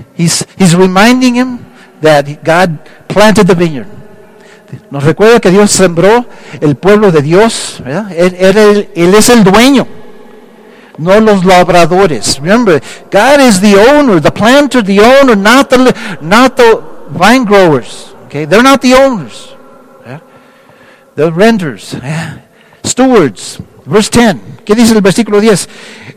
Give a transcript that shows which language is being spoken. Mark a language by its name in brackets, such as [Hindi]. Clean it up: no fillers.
[English] He's reminding him that God planted the vineyard. [Spanish] Nos recuerda que Dios sembró el pueblo de Dios, ¿verdad? Él es el dueño. No los labradores. [English] Remember, God is the owner, the planter, the owner, not the vine growers. Okay, they're not the owners. Yeah? The renters, yeah? Stewards. Verse 10. [Spanish] ¿Qué dice el versículo 10?